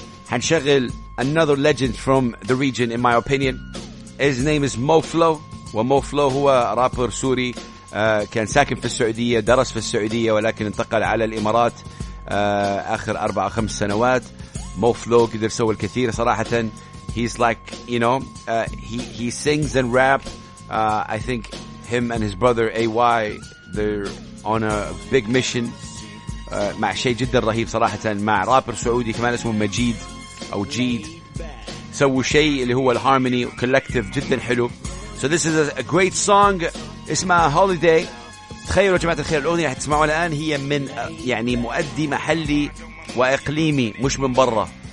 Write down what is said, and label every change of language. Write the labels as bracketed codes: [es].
[ar] هنشغل [en] another legend from the region, in my opinion. His name is Mo Flow. [ar] ومو فلو هو رابر سوري كان ساكن في السعودية درس في السعودية ولكن انتقل على الإمارات آخر 4-5 سنوات. مو فلو قدر سوى الكثير صراحة. [en] He's like, you know, he sings and rap. I think him and his brother AY, they're on a big mission. [ar] مع شيء جدا رهيب صراحة مع رابر سعودي كمان اسمه مجيد أو جيد. سووا شيء اللي هو الهارموني كولكتيف جدا حلو. [en] So this is a great song. [ar] اسمها [en] Holiday. [ar] تخيلوا جماعة الخير الأغنية اللي هتسمعوا الآن هي من يعني مؤدي محلي وإقليمي مش من برا.